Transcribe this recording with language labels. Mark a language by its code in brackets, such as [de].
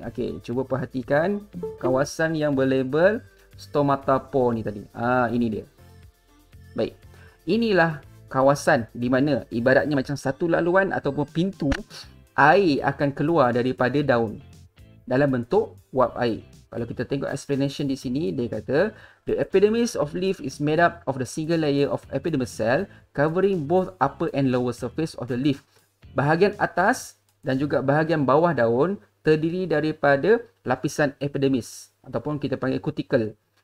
[ms] Okey, cuba perhatikan kawasan yang berlabel stomata pore ni tadi. Ah, ini dia. Baik. Inilah kawasan di mana ibaratnya macam satu laluan ataupun pintu air akan keluar daripada daun dalam bentuk wap air. Kalau kita tengok explanation di sini, dia kata [en] the epidermis of leaf is made up of the single layer of epidermal cell covering both upper and lower surface of the leaf. [ms] Bahagian atas dan juga bahagian bawah daun terdiri daripada lapisan epidermis ataupun kita panggil cuticle.